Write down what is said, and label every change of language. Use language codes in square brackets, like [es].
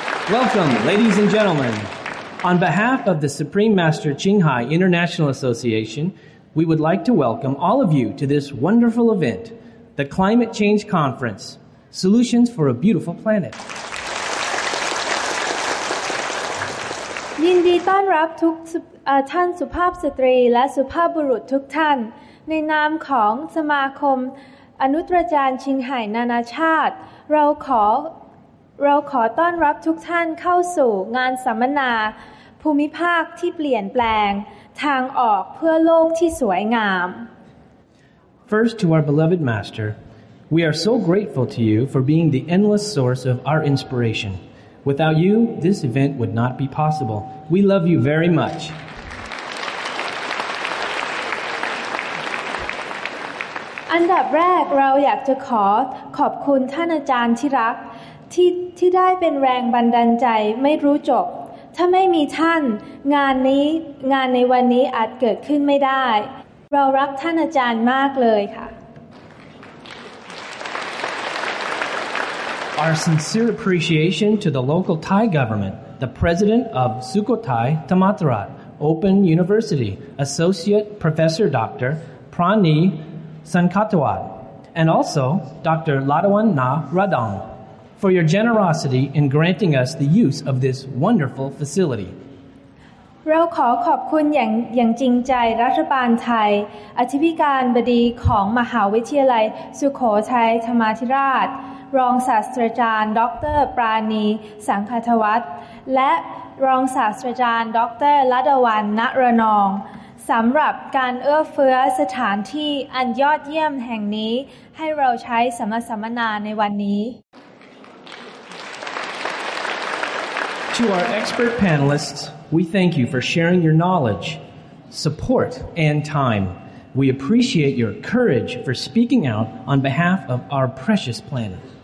[en] Welcome, ladies and gentlemen. On behalf of the Supreme Master Qinghai International Association, we would like to welcome all of you to this wonderful event, the Climate Change Conference, Solutions for a Beautiful Planet. [th] ยินดีต้อนรับทุกท่านสุภาพสตรีและสุภาพบุรุษทุกท่านในนามของสมาคมอนุตรจารย์ชิงไห่นานาชาติเราขอต้อนรับทุกท่านเข้าสู่งานสัมมนาภูมิภาคที่เปลี่ยนแปลงทางออกเพื่อโลกที่สวยงาม [en] First to our beloved master we are so grateful to you for being the endless source of our inspirationWithout you, this event would not be possible. We love you very much. [th] อันดับแรกเราอยากจะขอบคุณท่านอาจารย์ที่รักที่ได้เป็นแรงบันดาลใจไม่รู้จบถ้าไม่มีท่านงานในวันนี้อาจเกิดขึ้นไม่ได้เรารักท่านอาจารย์มากเลยค่ะ [en] Our sincere appreciation to the local Thai government, the president of Sukhothai Thammathirat Open University, Associate Professor Dr. Prani Sankatwad, and also Dr. Ladawan Na Radong, for your generosity in granting us the use of this wonderful facility. [th] เราขอขอบคุณอย่างจริงใจรัฐบาลไทยอธิการบดีของมหาวิทยาลัยสุโขทัยธรรมาธิราชรองศาสตราจารย์ดร. ปราณีสังคทวัฒน์และรองศาสตราจารย์ดร. ลดวรรณ ณรนองสำหรับการเอื้อเฟื้อสถานที่อันยอดเยี่ยมแห่งนี้ให้เราใช้สัมมนาในวันนี้ [en] To our expert panelistsWe thank you for sharing your knowledge, support, and time. We appreciate your courage for speaking out on behalf of our precious planet.